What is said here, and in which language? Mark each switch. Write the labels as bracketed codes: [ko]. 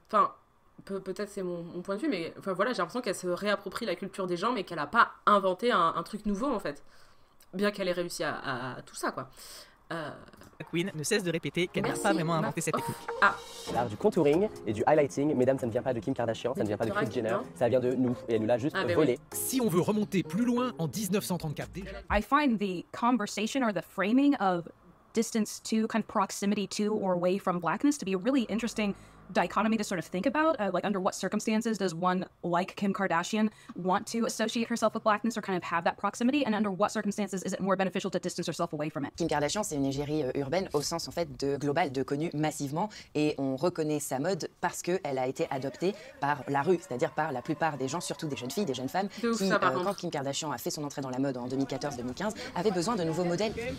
[fr] Enfin, peut-être c'est mon point de vue, mais enfin, voilà, j'ai l'impression qu'elle se réapproprie la culture des gens, mais qu'elle a pas inventé un truc nouveau, en fait. Bien qu'elle ait réussi à tout ça, quoi. Queen ne cesse de répéter qu'elle n'a pas vraiment inventé cette technique. Ah. L'art du contouring et du highlighting, mesdames, ça ne vient pas de Kim Kardashian, ça ne vient pas de Kylie Jenner, ça vient de nous, et elle nous l'a juste volé. Oui. Si on veut remonter plus loin en 1934 déjà... [en] I find the conversation or the framing of distance to, kind of proximity to or away from blackness to be a really interesting dichotomy to sort of think about, like under what circumstances does one like Kim Kardashian want to associate herself with blackness or kind of have that proximity, and under what circumstances is it more beneficial to distance herself away from it? [fr] Kim Kardashian, c'est une égérie urbaine au sens en fait de global, de connue massivement, et on reconnaît sa mode parce qu'elle a été adoptée par la rue, c'est-à-dire par la plupart des gens, surtout des jeunes filles, des jeunes femmes, de qui, quand Kim Kardashian a fait son entrée dans la mode en 2014-2015, avait besoin de nouveaux modèles.